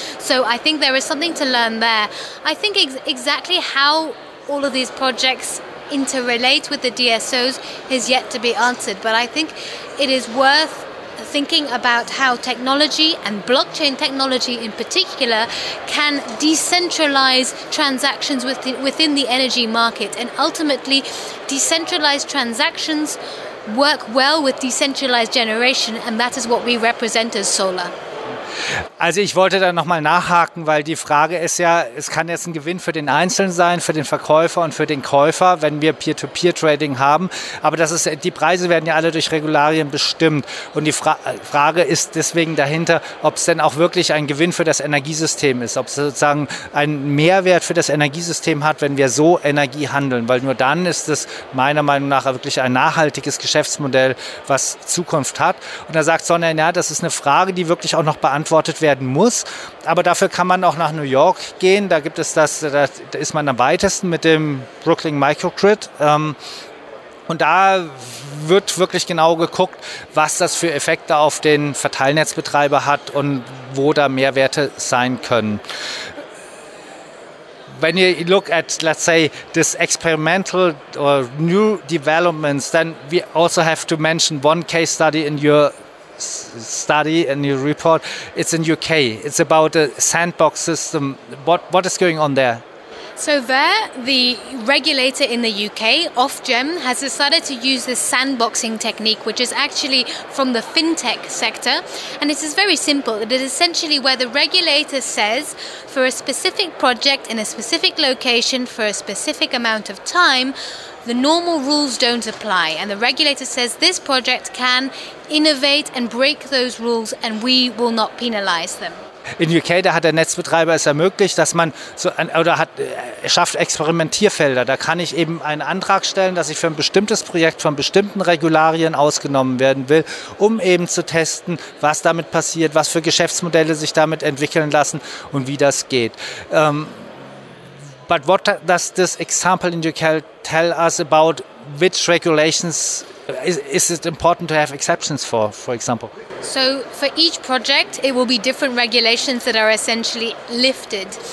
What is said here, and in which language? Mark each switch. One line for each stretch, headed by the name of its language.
English: So I think there is something to learn there. I think exactly how all of these projects interrelate with the DSOs is yet to be answered, but I think it is worth thinking about how technology and blockchain technology in particular can decentralize transactions within the energy market, and ultimately decentralized transactions work well with decentralized generation, and that is what we represent as solar.
German: Also ich wollte da nochmal nachhaken, weil die Frage ist ja, es kann jetzt ein Gewinn für den Einzelnen sein, für den Verkäufer und für den Käufer, wenn wir Peer-to-Peer-Trading haben, aber das ist, die Preise werden ja alle durch Regularien bestimmt und die Frage ist deswegen dahinter, ob es denn auch wirklich ein Gewinn für das Energiesystem ist, ob es sozusagen einen Mehrwert für das Energiesystem hat, wenn wir so Energie handeln, weil nur dann ist es meiner Meinung nach wirklich ein nachhaltiges Geschäftsmodell, was Zukunft hat. Und da sagt Sonja, ja, das ist eine Frage, die wirklich auch noch beantwortet werden muss, aber dafür kann man auch nach New York gehen, da gibt es das, da ist man am weitesten mit dem Brooklyn Microgrid und da wird wirklich genau geguckt, was das für Effekte auf den Verteilnetzbetreiber hat und wo da Mehrwerte sein können.
English: When you look at, let's say, this experimental or new developments, then we also have to mention one case study in your study and your report. It's in UK. It's about a sandbox system. What is going on there? So there, the regulator in the UK, Ofgem, has decided to use this sandboxing technique, which is actually from the fintech sector. And it is very simple. It is essentially where the regulator says, for a specific project in a specific location for a specific amount of time, the normal rules don't apply. And the regulator says this project can innovate and break those rules and we will not penalize them.
German: In UK, da hat der Netzbetreiber es ermöglicht, dass man so schafft Experimentierfelder. Da kann ich eben einen Antrag stellen, dass ich für ein bestimmtes Projekt von bestimmten Regularien ausgenommen werden will, um eben zu testen, was damit passiert, was für Geschäftsmodelle sich damit entwickeln lassen und wie das geht.
English: But what does this example in UK tell us about which regulations is it important to have exceptions for example? So for each project, it will be different regulations that are essentially lifted.